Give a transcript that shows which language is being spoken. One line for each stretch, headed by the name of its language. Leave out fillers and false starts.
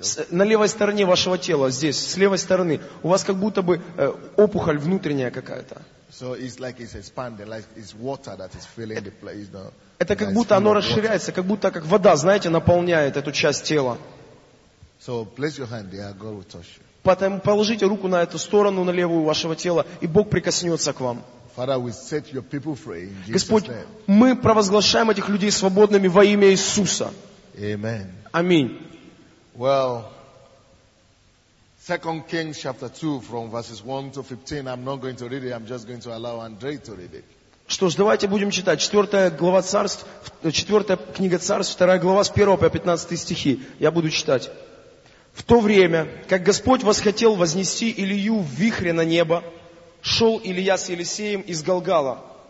Russian: На левой стороне вашего тела, здесь, с левой стороны, у вас как будто бы опухоль внутренняя какая-то.
English: So it's like it's expanding, like it's water that is filling the place. No,
Russian: это как будто оно расширяется, как будто как вода, знаете, наполняет эту часть тела.
English: So place your hand there, God will touch you.
Russian: Потом положите руку на эту сторону, на левую вашего тела, и Бог прикоснется к вам.
English: Father, we set your people free in Jesus' name.
Russian: Господь, мы провозглашаем этих людей свободными во имя Иисуса.
English: Amen.
Russian: Аминь.
English: Well, 2 Kings chapter 2 from verses 1 to 15. I'm not going to read it. I'm just going to allow Andrei to read it.
Russian: Что ж, давайте будем читать. 4 глава царств, 4 книга царств, 2 глава с 1 по 15 стихи. Я буду читать. В то время, как Господь восхотел вознести Илию в вихре на небо, шел Илия с Елисеем из Галгала.